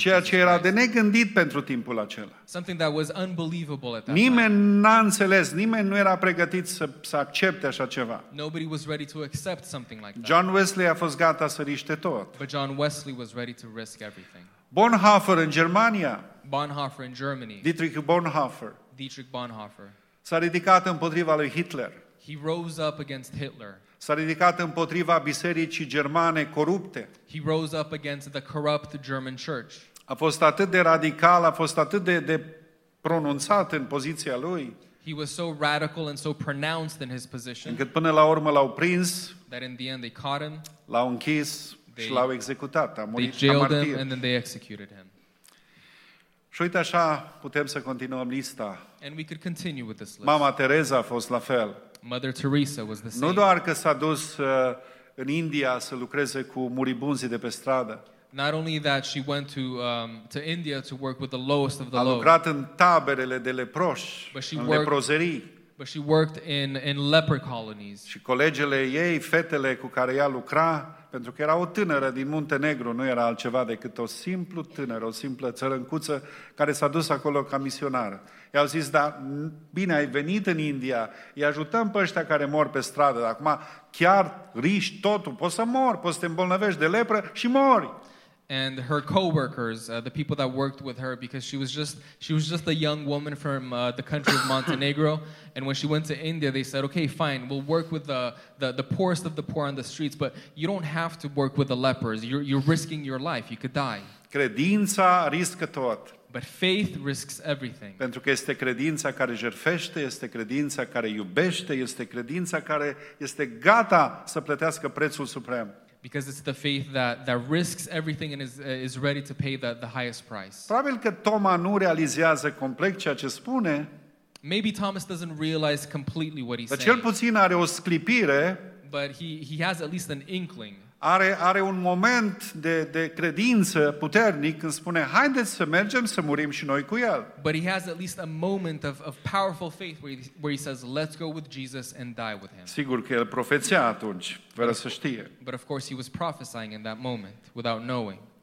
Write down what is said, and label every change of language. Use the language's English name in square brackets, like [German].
[English] Jesus Christ. [Romanian] Ceea ce era de negândit pentru timpul acela. [English] Something that was unbelievable at that time. [Romanian] Nimeni n-a înțeles, nimeni nu era pregătit să accepte așa ceva. [English] Nobody was ready to accept something like that. [Romanian] John Wesley a fost gata să riște tot. [English] But John Wesley was ready to risk everything. [Romanian] Bonhoeffer în Germania. [English] Bonhoeffer in Germany. [Romanian] Dietrich Bonhoeffer. [English] Dietrich Bonhoeffer. [Romanian] S-a ridicat împotriva lui Hitler. [English] He rose up against Hitler. [Romanian] S-a ridicat împotriva bisericii germane corupte. [English] He rose up against the corrupt German church. [Romanian] A fost atât de radical, a fost atât de pronunțat în poziția lui. [English] He was so radical and so pronounced in his position. [Romanian] Încât până la urmă l-au prins. [English] That in the end they caught him. [Romanian] L-au închis și l-au executat. A murit ca martir. [English] They jailed him and then they executed him. [Romanian] Și uite așa putem să continuăm lista. [English] And we could continue with this list. [Romanian] Mama Teresa a fost la fel. [English] Mother Teresa was the same. [Romanian] Nu doar că s-a dus în India să lucreze cu muribunzii de pe stradă. [English] Not only that she went to India to work with the lowest of the low. [Romanian] A lucrat în taberele de leproși, în leprozerii. [English] But she worked in leper colonies. [Romanian] Și colegele ei, fetele cu care ea lucra, pentru că era o tânără din Muntenegru, nu era altceva decât o simplu tânără, o simplă țărâncuță care s-a dus acolo ca misionară. I-au zis, da, bine, ai venit în India, îi ajutăm pe ăștia care mor pe stradă, dar acum chiar riști totul, poți să mori, poți să te îmbolnăvești de lepră și mori. [English] And her co-workers, the people that worked with her, because she was just a young woman from the country of Montenegro. And when she went to India, they said, okay, fine, we'll work with the poorest of the poor on the streets, but you don't have to work with the lepers. You're risking your life. You could die. [Romanian] Credința riscă tot. [English] But faith risks everything. [Romanian] Pentru că este credința care jertfește, este credința care iubește, este credința care este gata să plătească prețul suprem. [English] Because it's the faith that risks everything and is ready to pay the highest price. [Romanian] Probabil că Toma nu realizează complet ceea ce spune. [English] Maybe Thomas doesn't realize completely what he's saying. [Romanian] Dar cel puțin are o sclipire. [English] But he has at least an inkling. [Romanian] Are un moment de credință puternic când spune, haideți să mergem să murim și noi cu el. [English] But he has at least a moment of powerful faith where he says, let's go with Jesus and die with him. [Romanian] Sigur că el profeția atunci, fără să știe. [English] But of course he was prophesying in that moment, without knowing.